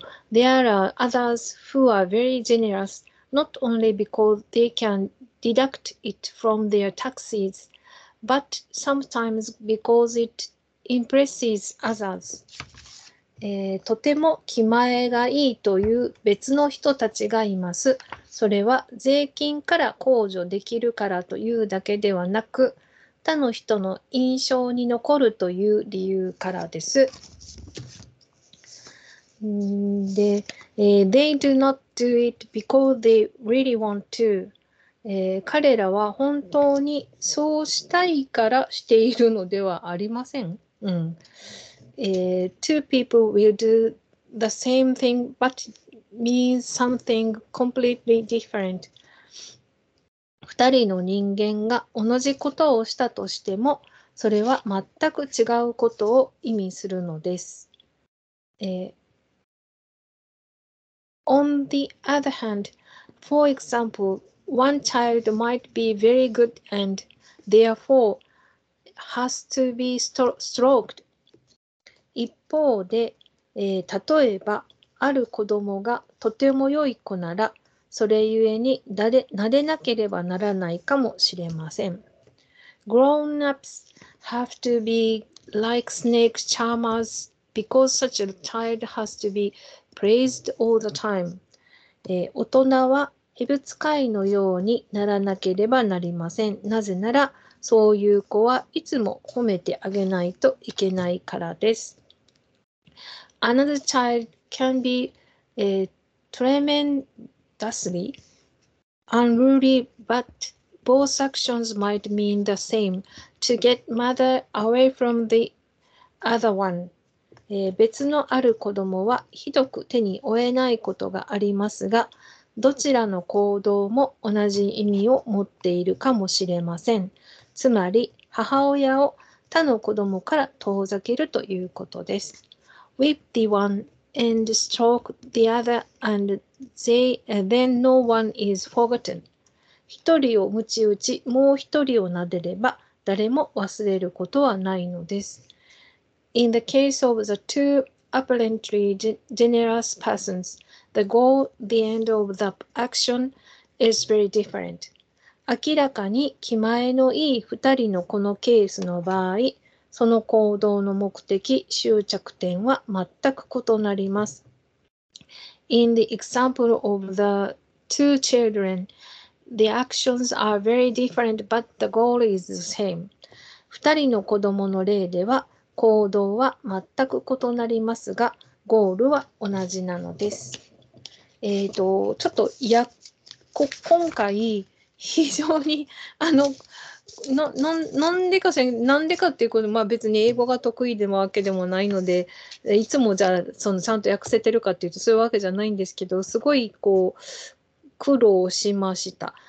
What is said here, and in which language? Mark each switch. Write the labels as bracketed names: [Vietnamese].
[English] There are others who are very generous, not only because they can deduct it from their taxes, but sometimes because it impresses others.、 [Japanese] とても気前がいいという別の人たちがいます。それは税金から控除できるからというだけではなく、他の人の印象に残るという理由からです。 [English] で、They do not do it because they really want to、 [Japanese] 彼らは本当にそうしたいからしているのではありません、 [English] Two people will do the same thing but means something completely different [Japanese] 二人の人間が同じことをしたとしても、それは全く違うことを意味するのです。 [English] On the other hand, for example, one child might be very good and therefore has to be stroked. [Japanese] 一方で、例えばある子供がとても良い子なら、それゆえに撫でなければならないかもしれません。 [English] Grown-ups have to be like snake charmers because such a child has to be... Praised all the time. [Japanese] 大人は蛇使いのようにならなければなりません。なぜなら、そういう子はいつも褒めてあげないといけないからです。 [English] Another child can be、tremendously unruly, but both actions might mean the same to get mother away from the other one. [Japanese] 別のある子供はひどく手に負えないことがありますが、どちらの行動も同じ意味を持っているかもしれません。つまり、母親を他の子供から遠ざけるということです。 [English] Whip the one and stroke the other and then no one is forgotten. [Japanese] 一人を鞭打ち、もう一人を撫でれば、誰も忘れることはないのです。 [English] In the case of the two apparently generous persons, the goal, the end of the action is very different. [Japanese] 明らかに気前のいい2人のこのケースの場合、その行動の目的、終着点は全く異なります。 [English] In the example of the two children, the actions are very different, but the goal is the same. [Japanese] 2人の子供の例では、行動は全く異なりますが、ゴールは同じなのです。ちょっと、今回、非常に、なんでかっていうこと、まあ別に英語が得意でもわけでもないので、いつもじゃあ、ちゃんと訳せてるかっていうと、そういうわけじゃないんですけど、すごい、こう、苦労しました。